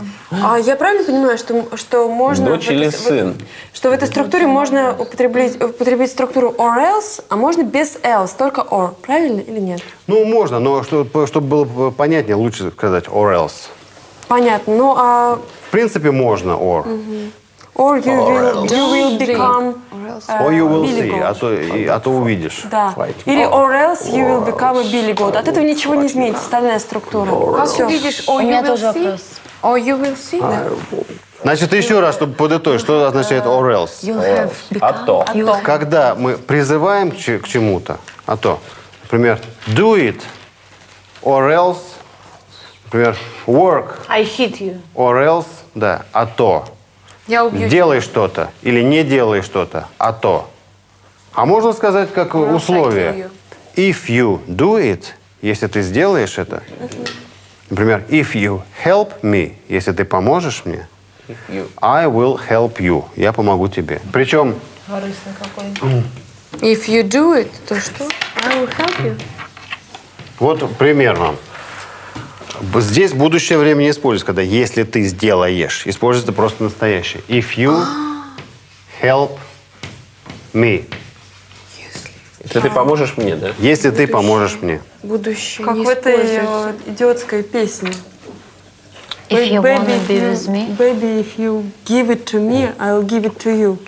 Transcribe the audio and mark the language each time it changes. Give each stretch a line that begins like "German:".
Russian: А я правильно понимаю, что можно... Дочь или сын. Что в этой структуре можно употребить структуру or else, а можно без else, только or. Правильно или нет? Ну, можно, но чтобы было понятнее, лучше сказать or else. Понятно. Ну, а... В принципе, можно or. Угу.
English: Or you, or will, you will become... Or you will see,
Russian: а то увидишь. Да. Или
English: or else you will become a Billy goat.
Russian: От этого ничего не изменится, остальная структура. Как увидишь,
English: or you will see... Or you will see them.
Russian: Значит, еще раз, чтобы подытожить, что означает or else? А то. Когда мы призываем к чему-то, а то.
English: Например, do it or else.
Russian: Например, work.
English: I hit you.
Russian: Or else, да, а то. Я убью тебя. Делай что-то или не делай что-то, а то. А можно сказать как or условие.
English: If you do it,
Russian: если ты сделаешь это,
English: например, if you help me,
Russian: если ты поможешь мне,
English: I will help you,
Russian: я помогу тебе. Причем... Корыстный какой. If you do it, то что?
English: I will help you.
Russian: Вот пример вам. Здесь будущее время не используется, когда если ты сделаешь. Используется просто настоящее.
English: If you help me.
Russian: Если ты поможешь мне, да? Если будущее, ты поможешь мне. Будущее как в этой идиотской песне.
English: Baby, if you give it to me, I'll give it to you.